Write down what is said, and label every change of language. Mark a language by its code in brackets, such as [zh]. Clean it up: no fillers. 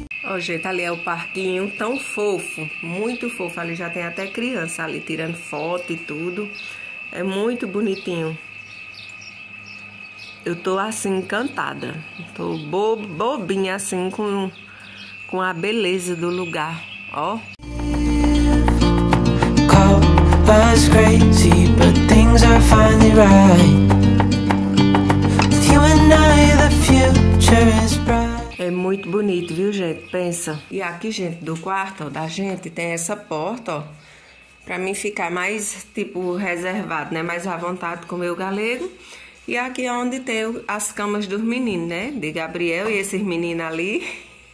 [pt] Ó, gente, ali é o parquinho, tão fofo, muito fofo. Ali já tem até criança ali tirando foto e tudo. É muito bonitinho. Eu tô assim encantada. Tô bobinha assim com a beleza do lugar, ó. [en] Call us crazy, but things are finally right. You and I, the future is bright. [pt] É muito bonito, viu, gente? Pensa. E aqui, gente, do quarto, ó, da gente, tem essa porta, ó. Pra mim ficar mais, tipo, reservado, né? Mais à vontade com o meu galego. E aqui é onde tem as camas dos meninos, né? De Gabriel e esses meninos ali.